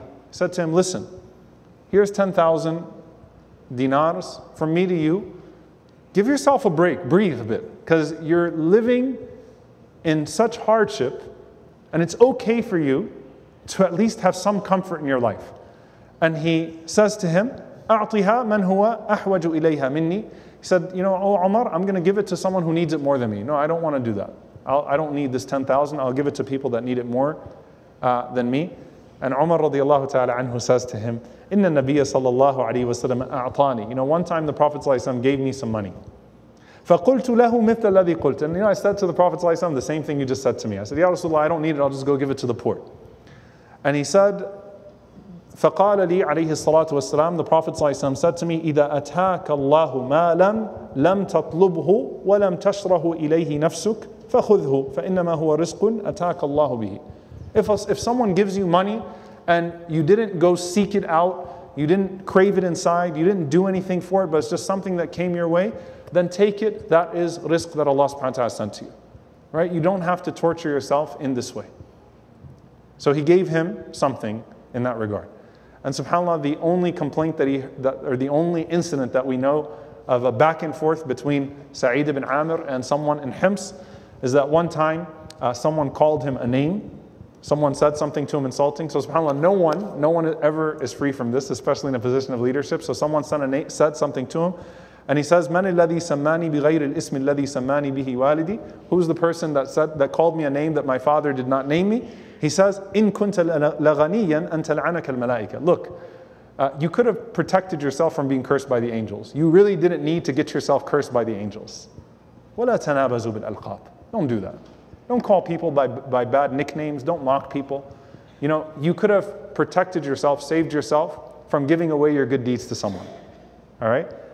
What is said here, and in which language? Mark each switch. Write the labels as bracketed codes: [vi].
[en] He said to him, listen, here's 10,000 dinars from me to you. Give yourself a break, breathe a bit, because you're living in such hardship, and it's okay for you to at least have some comfort in your life. And he says to him, [ar] أعطيها من هو أحوج إليها مني. [en] He said, you know, oh Umar, I'm going to give it to someone who needs it more than me. No, I don't want to do that. I don't need this 10,000. I'll give it to people that need it more than me. And Umar radiallahu ta'ala anhu says to him, [ar] إِنَّ النَّبِيَ صَلَّى اللَّهُ عَلَيْهِ وَسَلَّمَ أَعْطَانِي. [en] You know, one time the Prophet ﷺ gave me some money. [ar] فَقُلْتُ لَهُ مِثْلَ الَّذِي قُلْتُ. [en] And you know, I said to the Prophet ﷺ the same thing you just said to me. I said, Ya Rasulullah, I don't need it. I'll just go give it to the poor. And he said, [ar] فَقَالَ لِي عَلَيْهِ الصَّلَاةُ وَالسَّلَامُ. [en] The Prophet ﷺ said to me, [ar] إِذَا أَتَاكَ اللَّهُ مَالًا لَمْ تَطْلُبْهُ وَلَمْ تَشْرَهُ إِلَيْهِ نَفْسُكَ فَخُذْهُ فَإِنَّمَا هُوَ رِزْقٌ أَتَاكَ اللَّهُ بِهِ. [en] If someone gives you money and you didn't go seek it out, you didn't crave it inside, you didn't do anything for it, but it's just something that came your way, then take it. That is rizq that Allah subhanahu wa ta'ala has sent to you. Right? You don't have to torture yourself in this way. So he gave him something in that regard. And subhanAllah, the only complaint the only incident that we know of a back and forth between Saeed ibn Amr and someone in Hims is that one time someone called him a name. Someone said something to him insulting. So subhanAllah, no one ever is free from this, especially in a position of leadership. So someone said something to him. And he says, [ar] مَنِ الَّذِي سَمَّانِي بِغَيْرِ الْإِسْمِ الَّذِي سَمَّانِي بِهِ وَالِدِي. [en] Who's the person that called me a name that my father did not name me? He says, [ar] إِن كُنْتَ لَغَنِيًّا أَنْ تَلْعَنَكَ الْمَلَائِكَ. [en] Look, you could have protected yourself from being cursed by the angels. You really didn't need to get yourself cursed by the angels. [ar] وَلَا تَنَابَزُوا بِالْأَلْقَابِ. [en] Don't do that. Don't call people by bad nicknames. Don't mock people. You know, you could have protected yourself, saved yourself from giving away your good deeds to someone. All right?